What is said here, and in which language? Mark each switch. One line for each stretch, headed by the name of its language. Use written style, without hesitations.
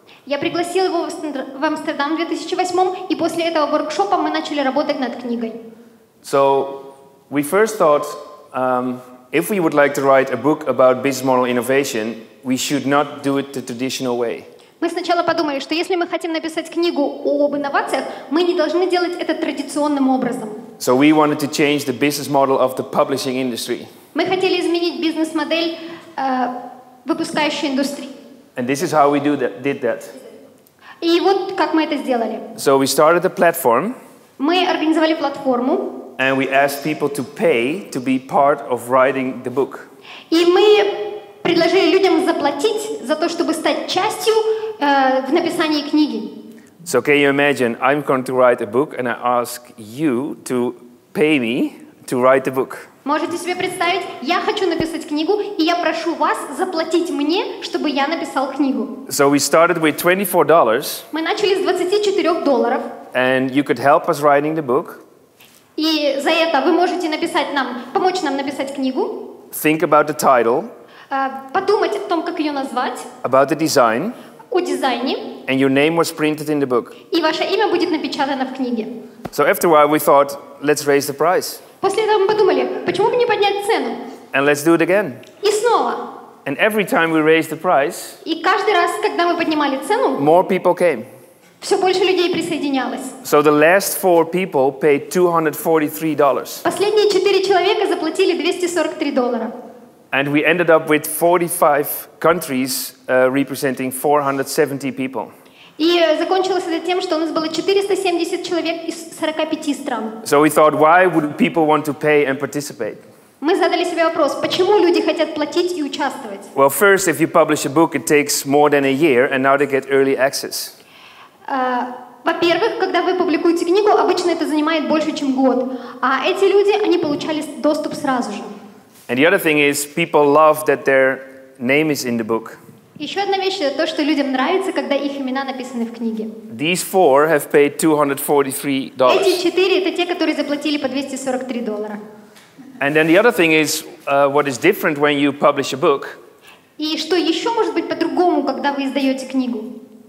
Russian: Я пригласил его в Амстердам в 2008, и после этого воркшопа мы начали работать над книгой.
English: So, we first thought, if we would like to write a book about business model innovation, we should not do it the traditional way.
Russian: Мы сначала подумали, что если мы хотим написать книгу об инновациях, мы не должны делать это традиционным образом.
English: So we wanted to change the business model of the publishing industry.
Russian: Мы хотели изменить бизнес-модель выпускающей индустрии.
English: And this is how we did that.
Russian: И вот как мы это сделали.
English: So we started a platform.
Russian: Мы организовали платформу.
English: And we asked people to pay to be part of writing the book.
Russian: И мы предложили людям заплатить за то, чтобы стать частью в написании книги.
English: So can you imagine, I'm going to write a book and I ask you to pay me to write the book.
Russian: Можете себе представить, я хочу написать книгу, и я прошу вас заплатить мне, чтобы я написал книгу.
English: So we started with $24.
Russian: Мы начали с $24.
English: And you could help us writing the book.
Russian: И за это вы можете написать нам, помочь нам написать книгу.
English: Think about the title.
Russian: Подумать о том, как ее назвать.
English: About the design.
Russian: О дизайне.
English: And your name was printed in the book.
Russian: И ваше имя будет напечатано в книге.
English: So after a while we thought, let's raise the price.
Russian: После этого мы подумали, почему бы не поднять цену?
English: And let's do it again.
Russian: И снова.
English: And every time we raised the price,
Russian: и каждый раз, когда мы поднимали цену,
English: more people came.
Russian: Все больше людей присоединялось.
English: So the last four people paid $243.
Russian: Последние четыре человека заплатили $243.
English: And we ended up with 45 countries representing 470 people.
Russian: И закончилось это тем, что у нас было 470 человек из 45 стран.
English: So we thought, why would people want to pay and participate?
Russian: Мы задали себе вопрос, почему люди хотят платить и участвовать?
English: Well, first, if you publish a book, it takes more than a year, and now they get early access.
Russian: Во-первых, когда вы публикуете книгу, обычно это занимает больше, чем год. А эти люди, они получали доступ сразу же.
English: And the other thing is, people love that their name is in the book.
Russian: Еще одна вещь, это то, что людям нравится, когда их имена написаны в книге.
English: These four have paid $243.
Russian: Эти четыре, это те, которые заплатили по $243.
English: And then the other thing is, what is different when you publish a book.
Russian: И что еще может быть по-другому, когда вы издаете книгу?